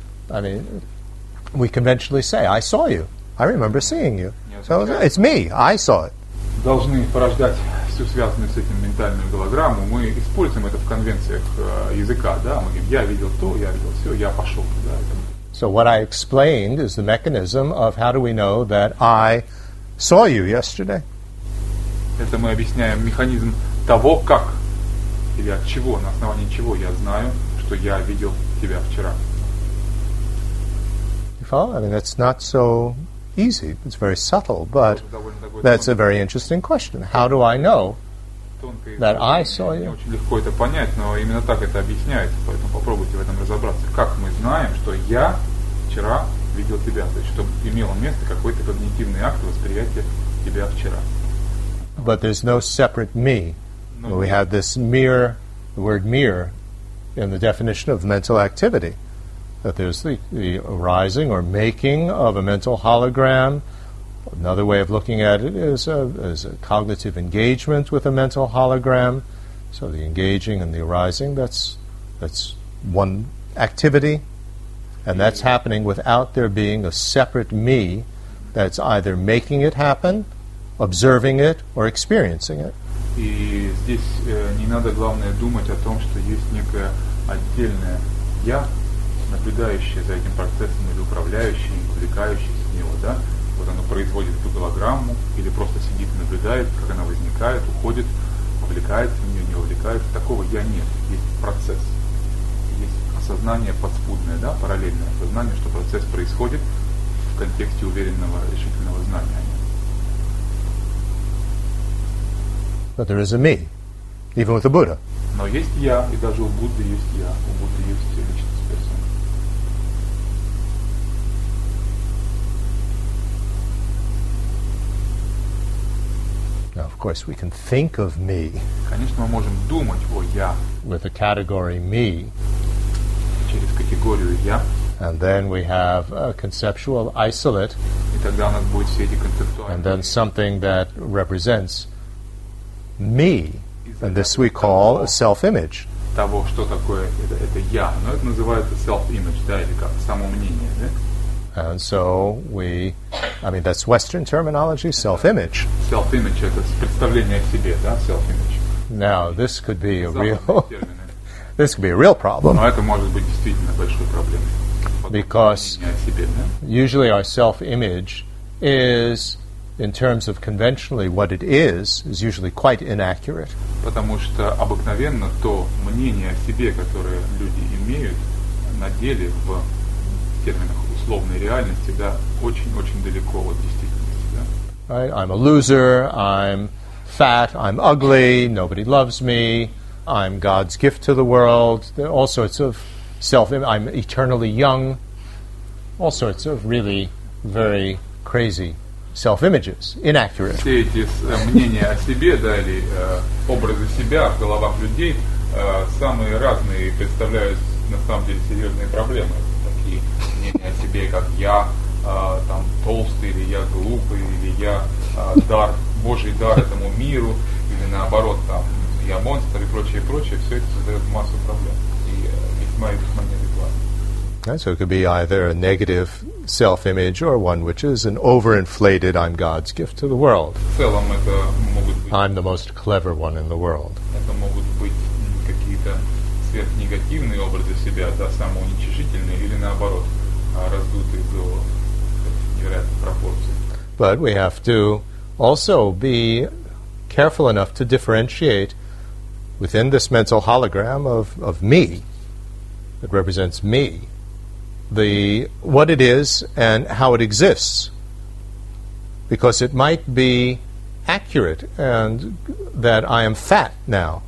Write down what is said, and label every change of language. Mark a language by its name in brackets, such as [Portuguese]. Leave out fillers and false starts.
[English] I mean, we conventionally say, I saw you. I remember seeing you. So it's me. I saw it. [Russian] Должны порождать всю связанную с этим ментальную голограмму. Мы используем это в конвенциях языка, да? Мы говорим, я видел то, я видел все, я пошел туда. [English] So what I explained is the mechanism of how do we know that I saw you yesterday. [Russian] Это мы объясняем механизм того, как или от чего, на основании чего я знаю, что я видел тебя вчера. [English] Follow? I mean, that's not so easy. It's very subtle, but that's a very interesting question. How do I know that I saw you? [Russian] Очень легко это понять, но именно так это объясняется, поэтому попробуйте в этом разобраться. Как мы знаем, что я вчера видел тебя, то есть что имело место какой-то когнитивный акт восприятия тебя вчера? [English] But there's no separate me. We have this mirror, the word mirror, in the definition of mental activity. That there's the arising or making of a mental hologram. Another way of looking at it is a cognitive engagement with a mental hologram. So the engaging and the arising, that's one activity. And that's happening without there being a separate me that's either making it happen, observing it, or experiencing it. [Russian] И здесь не надо, главное, думать о том, что есть некое отдельное «я», наблюдающее за этим процессом или управляющее, или увлекающее с него, да? Вот оно производит эту голограмму или просто сидит и наблюдает, как она возникает, уходит, увлекается в нее, не увлекается. Такого «я» нет. Есть процесс. Есть осознание подспудное, да, параллельное осознание, что процесс происходит в контексте уверенного, решительного знания. [English] But there is a me, even with the Buddha. [Russian] Но есть я, и даже у Будды есть я. У Будды есть личность персона. [English] Now, of course, we can think of me. [Russian] Конечно, мы можем думать о я. [English] With a category me. [Russian] Через категорию я. [English] And then we have a conceptual isolate. [Russian] И тогда у нас будут все эти концептуальные. [English] And then something that represents me, and this we call a self-image. [Russian] Того, что такое это я, но это называется self-image, да, или как самомнение, да? [English] And so that's Western terminology, self-image. [Russian] Self-image — это представление о себе, да, self-image. [English] Now, this could be a real this could be a real problem. [Russian] Но это может быть действительно большой проблемой. [English] Because usually our self-image is, in terms of conventionally what it is usually quite inaccurate. [Russian] Потому что обыкновенно то мнение о себе, которое люди имеют на деле в терминах условной реальности, да, очень-очень далеко от действительности, да. [English] Right? I'm a loser, I'm fat, I'm ugly, nobody loves me, I'm God's gift to the world. There are all sorts of I'm eternally young. All sorts of really very crazy self-images, inaccurate. [Russian] Все эти мнения о себе, да, или образы себя в головах людей, самые разные представляют на самом деле серьезные проблемы. Такие мнения о себе, как я там толстый, или я глупый, или я дар, Божий дар этому миру, или наоборот, там, я монстр и прочее, прочее, все это создает массу проблем. И весьма и весьма неадекватно. [English] Right, so it could be either a negative self-image or one which is an over-inflated I'm God's gift to the world. [Russian] В целом это могут быть, [English] I'm the most clever one in the world. [Russian] Это могут быть какие-то сверхнегативные образы себя, да, самоуничижительные, или наоборот, раздутые до невероятных пропорций. [English] But we have to also be careful enough to differentiate within this mental hologram of me that represents me, the what it is and how it exists, because it might be accurate and that I am fat now.